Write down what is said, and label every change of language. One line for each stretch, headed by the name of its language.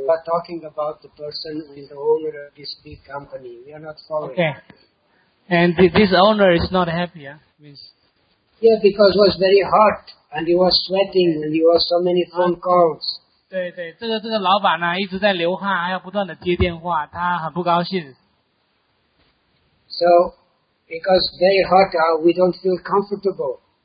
English: We are talking about the person who is the owner of this big company. We are not following. Okay. And this owner is not happy, huh? Means... Yeah, because it was very hot, and he was sweating, and he was so many phone calls.
Chinese: 对对，这个老板呢，一直在流汗，还要不断的接电话，他很不高兴。
English: So, because very hot, we don't feel comfortable.